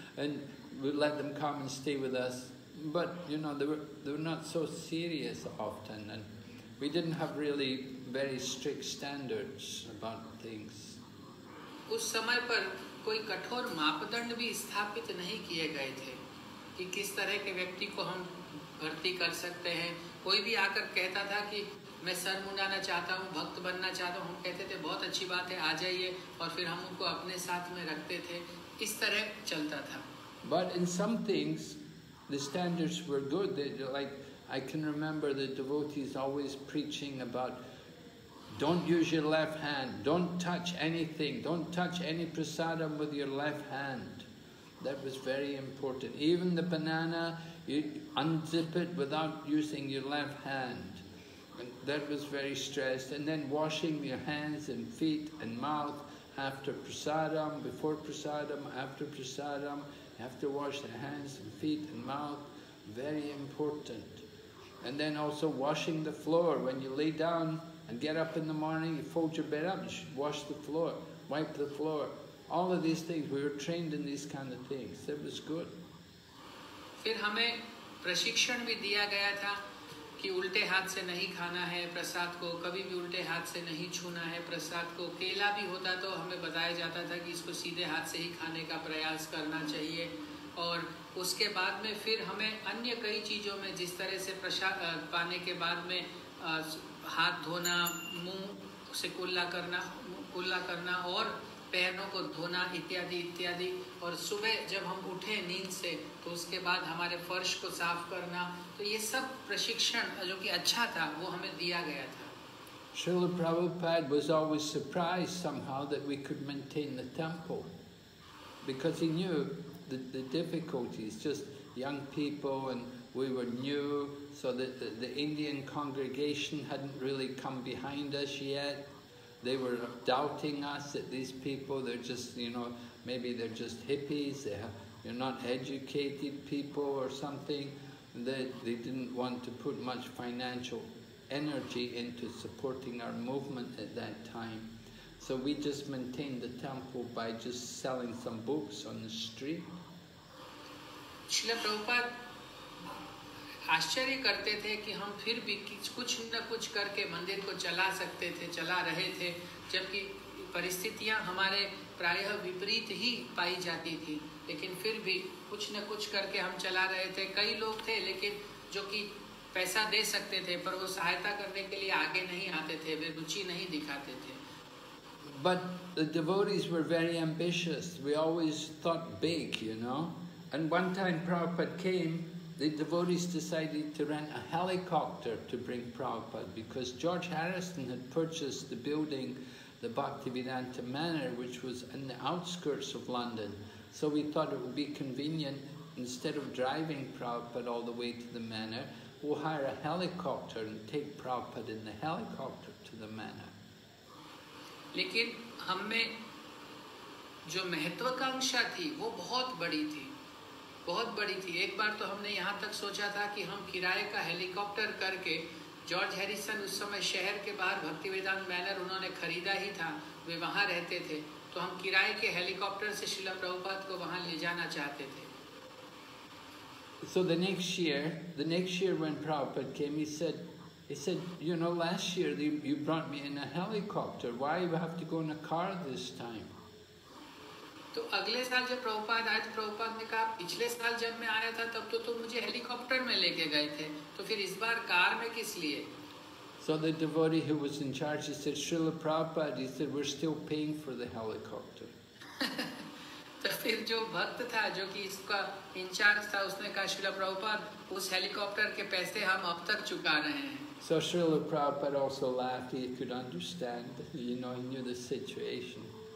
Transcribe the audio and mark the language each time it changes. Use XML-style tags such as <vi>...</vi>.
<en>And we let them come and stay with us. But you know they were not so serious often, and we didn't have really very strict standards about things.</en> <hi>उस समय पर कोई कठोर मापदंड भी स्थापित नहीं किए गए थे कि किस तरह के व्यक्ति को हम भर्ती कर सकते हैं। कोई भी आकर कहता था कि मैं सर मुंडाना चाहता हूँ, भक्त बनना चाहता हूँ, हम कहते थे बहुत अच्छी बात है, आ जाइए, और फिर हम उनको अपने साथ में रखते थे। इस तरह चलता था।</hi> <en>But in some things, the standards were good. They, like I can remember the devotees always preaching about, don't use your left hand, don't touch anything, don't touch any prasadam with your left hand. That was very important. Even the banana, you unzip it without using your left hand. And that was very stressed. And then washing your hands and feet and mouth after prasadam, before prasadam, after prasadam. You have to wash the hands and feet and mouth. Very important. And then also washing the floor. When you lay down and get up in the morning, you fold your bed up, you should wash the floor, wipe the floor. All of these things, we were trained in these kind of things. It was good.</en> <hi>फिर हमें प्रशिक्षण भी दिया गया था कि उल्टे हाथ से नहीं खाना है प्रसाद को, कभी भी उल्टे हाथ से नहीं छूना है प्रसाद को. केला भी होता तो हमें बताया जाता था कि इसको सीधे हाथ से ही खाने का प्रयास करना चाहिए. और उसके बाद में फिर हमें अन्य कई चीजों में, जिस तरह से प्रसाद पाने के बाद में हाथ धोना, मुंह से कुल्ला करना और पैरों को धोना इत्यादि, और सुबह जब हम उठे नींद से तो उसके बाद हमारे फर्श को साफ करना, तो ये सब प्रशिक्षण जो कि अच्छा था वो हमें दिया गया था.</hi> <en>Srila Prabhupada was always surprised somehow that we could maintain the temple, because he knew the difficulties, just young people, and we were new, so that the Indian congregation hadn't really come behind us yet. They were doubting us, that these people, they're just, you know, maybe they're just hippies, they're not educated people or something, that they didn't want to put much financial energy into supporting our movement at that time. So we just maintained the temple by just selling some books on the street.</en> <hi>Srila Prabhupada आश्चर्य करते थे कि हम फिर भी कुछ न कुछ करके मंदिर को चला सकते थे, चला रहे थे, जबकि परिस्थितियां हमारे प्रायः विपरीत ही पाई जाती थी, लेकिन फिर भी कुछ न कुछ करके हम चला रहे थे. कई लोग थे लेकिन जो कि पैसा दे सकते थे पर वो सहायता करने के लिए आगे नहीं आते थे, वे रुचि नहीं दिखाते थे.</hi> <en>But the devotees were very ambitious. We always thought big, you know. And one time Prabhupada came, the devotees decided to rent a helicopter to bring Prabhupada, because George Harrison had purchased the building, the Bhaktivedanta Manor, which was in the outskirts of London. So we thought it would be convenient, instead of driving Prabhupada all the way to the manor, we'll hire a helicopter and take Prabhupada in the helicopter to the manor.</en> <hi>लेकिन हम में जो महत्वाकांक्षा थी वो बहुत बड़ी थी, बहुत बड़ी थी. एक बार तो हमने यहाँ तक सोचा था कि हम किराए का हेलीकॉप्टर करके, जॉर्ज हैरिसन उस समय शहर के बाहर भक्तिवेदांत मैनर उन्होंने खरीदा ही था, वे वहाँ रहते थे, तो हम किराए के हेलीकॉप्टर से श्रीला प्रभुपाद को वहाँ ले जाना चाहते थे.</hi> <en>So the next year when Prabhupada came, he said, you know, last year you brought me in a helicopter, why you have to go in a car this time?</en> <hi>तो अगले साल जब प्रभुपाद आए तो प्रभुपाद ने कहा, पिछले साल जब मैं आया था तब तो तुम मुझे हेलीकॉप्टर में लेके गए थे, तो फिर इस बार कार में किस लिए?</hi> <en>So the devotee who was in charge, he said, Srila Prabhupada, he said, we're still paying for the helicopter.</en> <hi>तो फिर जो भक्त था, जो कि इसका इंचार्ज था, उसने कहा, श्रील प्रभुपाद, उस हेलीकॉप्टर के पैसे हम अब तक चुका रहे हैं.</hi> <en>So Srila Prabhupada also laughed, he could understand, you know, he knew the situation.</en>